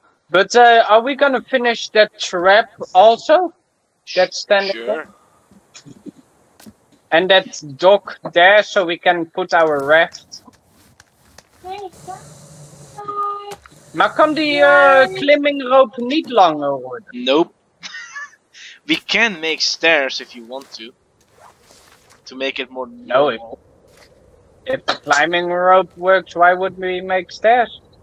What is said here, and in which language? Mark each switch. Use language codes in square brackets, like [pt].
[en] But are we gonna finish that trap also? That standing sure. There? And that dock there so we can put our raft. [nl] Maar kan die climbing rope niet langer worden? [en] Nope. We can make stairs if you want to. To make it more normal. No, if the climbing rope works, why wouldn't we make stairs?